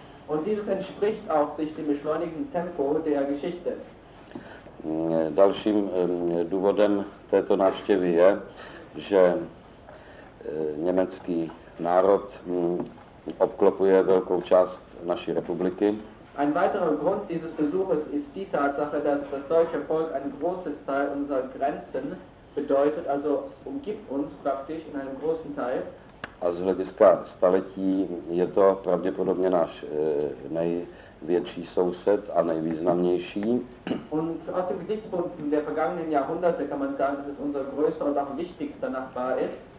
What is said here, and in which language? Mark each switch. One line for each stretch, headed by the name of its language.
German: Und dieses entspricht auch sich dem beschleunigten Tempo der Geschichte.
Czech: Dalším důvodem této návštěvy je, že německý národ obklopuje velkou část naší republiky.
German: Ein weiterer Grund dieses Besuches ist die Tatsache, dass das deutsche Volk ein großes Teil unserer Grenzen bedeutet, also umgibt uns praktisch in einem großen Teil.
Czech: a z hlediska staletí je to pravděpodobně náš největší soused a nejvýznamnější.
German: Und aus dem Gesichtspunkt der vergangenen Jahrhunderte kann man sagen, dass es unser größter und auch wichtigster Nachbar ist.